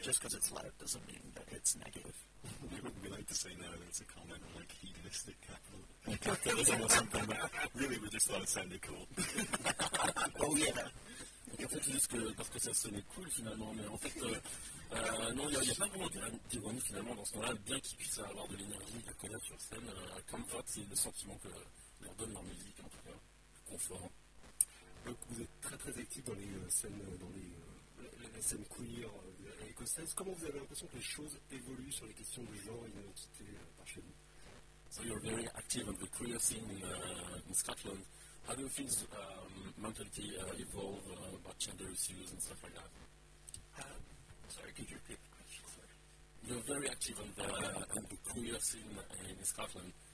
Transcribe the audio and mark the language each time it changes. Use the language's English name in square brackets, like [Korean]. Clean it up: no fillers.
[English] Just because it's loud doesn't mean that it's negative. We like to say now that it's a comment on like hedonistic capitalism or something, but really we just thought it sounded cool. Oh yeah. [French] Donc en fait, juste que parce que ça sonnait cool finalement, mais en fait, non, il n'y a pas vraiment d'ironie finalement dans ce temps-là, bien qu'ils puissent avoir de l'énergie, de la colère sur scène, comfort, c'est le sentiment que leur donne leur musique en tout cas, confort. Donc vous êtes très très actifs dans les scènes queer écossaises. Comment vous avez l'impression que les choses évoluent sur les questions de genre et d'identité par chez vous? [English] So you're very active on the queer scene in Scotland. How do things mentality evolve about gender issues and stuff like that? Sorry, could you repeat the question? Sorry. You're very active on the queer scene in Scotland.